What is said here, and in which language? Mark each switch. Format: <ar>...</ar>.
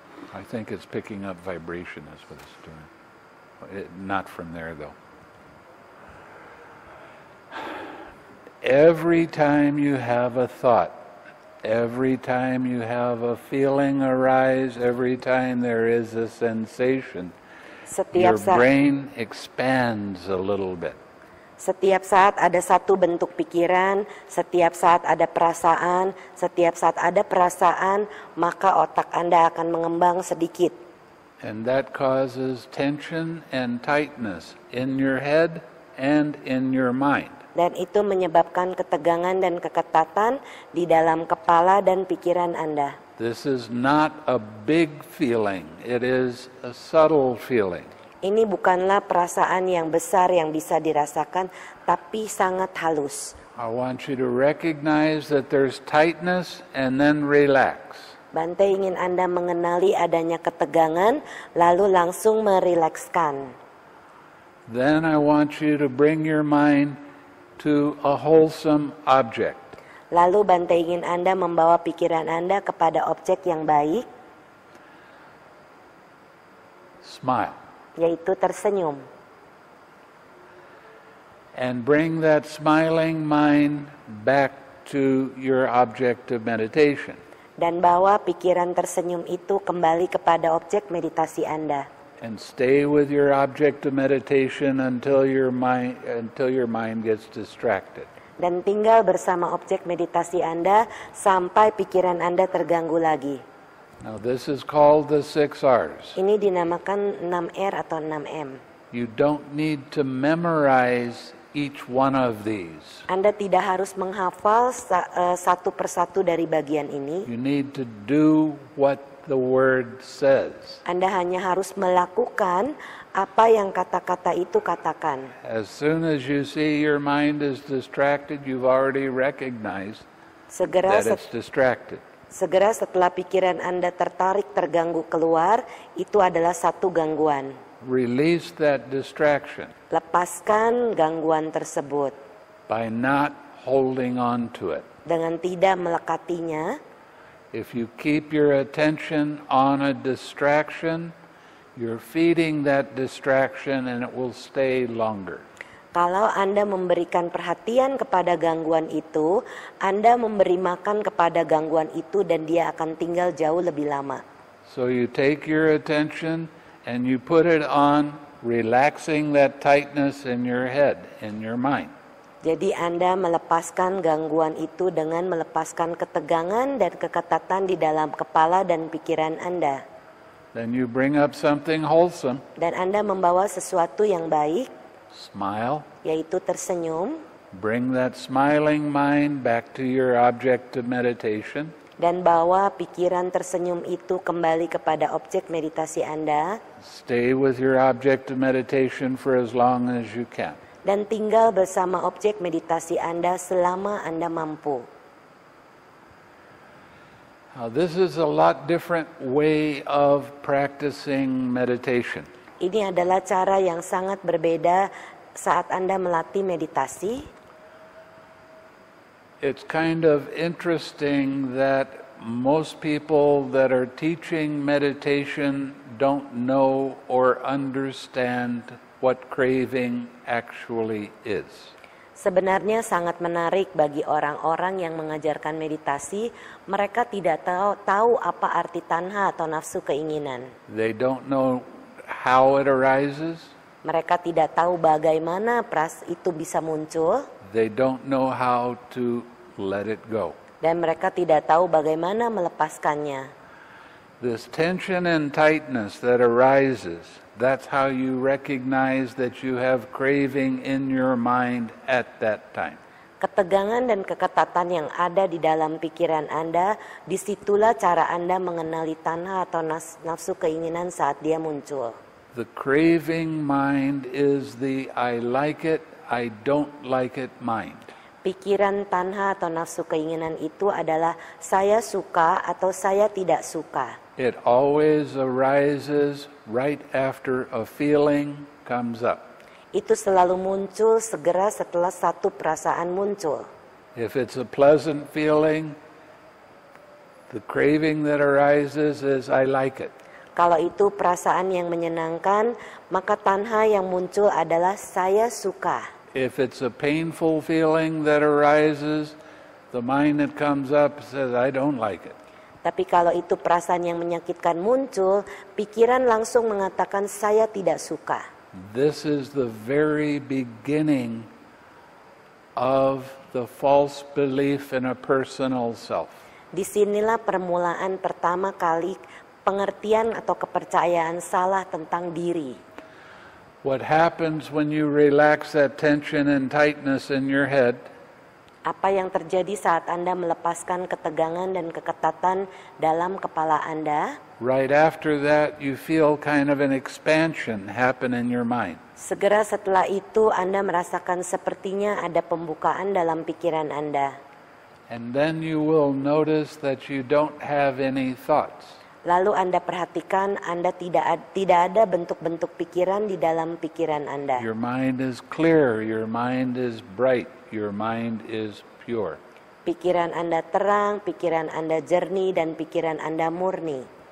<en>I think it's picking up vibration is what it's doing. Not from there though. Every time you have a thought, every time you have a feeling arise, every time there is a sensation,</en> <id>setiap</id> <en>your brain expands a little bit.</en> <id>Setiap saat ada satu bentuk pikiran, setiap saat ada perasaan, setiap saat ada perasaan, maka otak Anda akan mengembang sedikit.</id> <en>And that causes tension and tightness in your head and in your mind.</en> <id>Dan itu menyebabkan ketegangan dan keketatan di dalam kepala dan pikiran Anda.</id> <en>This is not a big feeling. It is a subtle feeling.</en> <id>ini bukanlah perasaan yang besar yang bisa dirasakan, tapi sangat halus.</id> <en>I want you to recognize that there's tightness and then relax.</en> <id>Bhante ingin Anda mengenali adanya ketegangan, lalu langsung merilekskan.</id> <en>Then I want you to bring your mind to a wholesome object.</en> <id>Lalu Bhante ingin Anda membawa pikiran Anda kepada objek yang baik.</id> <en>Smile.</en> <id>Yaitu tersenyum.</id> <en>And bring that smiling mind back to your object of meditation.</en> <id>Dan bawa pikiran tersenyum itu kembali kepada objek meditasi Anda.</id> <en>And stay with your object of meditation until your mind gets distracted.</en> <id>Dan tinggal bersama objek meditasi Anda sampai pikiran Anda terganggu lagi.</id> <en>Now this is called the six R's.</en> <id>Ini dinamakan 6 R atau 6 M.</id> <en>You don't need to memorize each one of these.</en> <id>Anda tidak harus menghafal satu persatu dari bagian ini.</id> <en>You need to do what the word says.</en> <id>Anda hanya harus melakukan apa yang kata-kata itu katakan.</id> <en>As soon as you see your mind is distracted, you've already recognized that it's distracted.</en> <id>Segera setelah pikiran Anda tertarik, terganggu keluar, itu adalah satu gangguan.</id> <en>Release that distraction.</en> <id>Lepaskan gangguan tersebut.</id> <en>By not holding on to it.</en> <id>Dengan tidak melekatinya.</id> <en>If you keep your attention on a distraction, you're feeding that distraction and it will stay longer.</en> <id>Kalau Anda memberikan perhatian kepada gangguan itu, Anda memberi makan kepada gangguan itu dan dia akan tinggal jauh lebih lama.</id> <en>So you take your attention and you put it on relaxing that tightness in your head, in your mind.</en> <id>Jadi Anda melepaskan gangguan itu dengan melepaskan ketegangan dan keketatan di dalam kepala dan pikiran Anda.</id> <en>Then you bring up something wholesome.</en> <id>Dan Anda membawa sesuatu yang baik.</id> <en>Smile.</en> <id>Yaitu tersenyum.</id> <en>Bring that smiling mind back to your object of meditation.</en> <id>Dan bawa pikiran tersenyum itu kembali kepada objek meditasi Anda.</id> <en>Stay with your object of meditation for as long as you can.</en> <id>Dan tinggal bersama objek meditasi Anda selama Anda mampu.</id> <en>Now, this is a lot different way of practicing meditation.</en> <id>Ini adalah cara yang sangat berbeda saat Anda melatih meditasi.</id> <en>It's kind of interesting that most people that are teaching meditation don't know or understand what craving actually is.</en> <id>Sebenarnya sangat menarik bagi orang-orang yang mengajarkan meditasi, mereka tidak tahu apa arti tanha atau nafsu keinginan.</id> <en>They don't know how it arises.</en> <id>Mereka tidak tahu bagaimana pras itu bisa muncul.</id> <en>They don't know how to let it go.</en> <id>Dan mereka tidak tahu bagaimana melepaskannya.</id> <en>This tension and tightness that arises, that's how you recognize that you have craving in your mind at that time.</en> <id>Ketegangan dan keketatan yang ada di dalam pikiran Anda, disitulah cara Anda mengenali tanha atau nafsu keinginan saat dia muncul.</id> <en>The craving mind is the I like it, I don't like it mind.</en> <id>Pikiran tanha atau nafsu keinginan itu adalah saya suka atau saya tidak suka.</id> <en>It always arises right after a feeling comes up.</en> <id>Itu selalu muncul segera setelah satu perasaan muncul.</id> <en>If it's a pleasant feeling, the craving that arises is I like it.</en> <id>Kalau itu perasaan yang menyenangkan, maka tanha yang muncul adalah saya suka.</id> <en>If it's a painful feeling that arises, the mind that comes up says I don't like it.</en> <id>Tapi kalau itu perasaan yang menyakitkan muncul, pikiran langsung mengatakan saya tidak suka.</id> <en>This is the very beginning of the false belief in a personal self.</en> <id>Disinilah permulaan pertama kali pengertian atau kepercayaan salah tentang diri.</id> <en>What happens when you relax that tension and tightness in your head?</en> <id>Apa yang terjadi saat Anda melepaskan ketegangan dan keketatan dalam kepala Anda?</id> <en>Right after that, you feel kind of an expansion happen in your mind.</en> <id>Segera setelah itu, Anda merasakan sepertinya ada pembukaan dalam pikiran Anda.</id> <en>And then you will notice that you don't have any thoughts.</en> <id>Lalu Anda perhatikan Anda tidak ada bentuk-bentuk pikiran di dalam pikiran Anda.</id> <en>Your mind is clear, your mind is bright, your mind is pure.</en> <id>Pikiran Anda terang, pikiran Anda jernih, dan pikiran Anda murni.</id>